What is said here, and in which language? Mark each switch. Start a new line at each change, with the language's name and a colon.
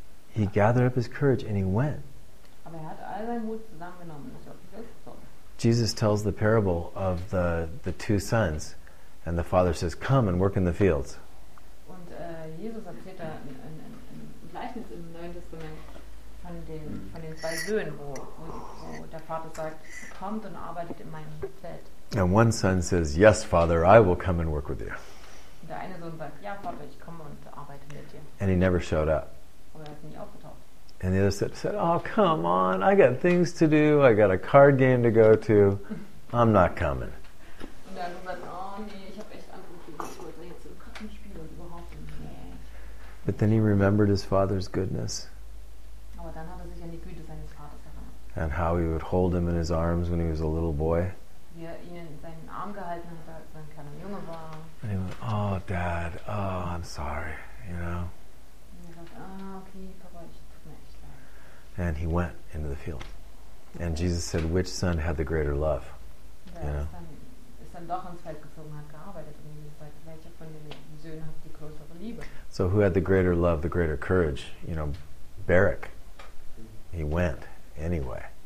English: He gathered up his courage and he went.
German: Aber er hat all seinen Mut zusammengenommen.
English: Jesus tells the parable of the two sons, and the father says, come and work in the fields.
German: Und Jesus erzählt da ein Gleichnis im Neuen Testament von von den zwei Söhnen, wo der Vater sagt, kommt und arbeitet in meinem Feld.
English: And one son says, yes, Father, I will come and work with you.
German: Und der eine Sohn sagt, ja, Vater, ich komme und arbeite mit dir.
English: And he never showed up.
German: Aber er ist nicht aufgetaucht.
English: And the other said, oh, come on, I got things to do, I got a card game to go to, I'm not coming.
German: Und der andere sagt, oh, nee, ich habe echt andere Dinge, ich wollte jetzt im Kartenspiel und überhaupt nicht.
English: But then he remembered his father's goodness.
German: Aber dann hat er sich an die Güte seines Vaters erinnert.
English: And how he would hold him in his arms when he was a little boy.
German: Wie er ihn in seinen Arm gehalten hat, als er ein kleiner Junge war.
English: And he went, oh, Dad, oh, I'm sorry, you know.
German: Und er sagt, ah, oh, okay, Papa, ich tut mir echt leid.
English: And he went into the field. And Jesus said, which son had the greater love?
German: Der ist dann doch ins Feld gezogen, hat gearbeitet. Und Jesus sagt, welcher von den Söhnen hat die größere Liebe?
English: So who had the greater love, the greater courage? You know, Barak. He went anyway.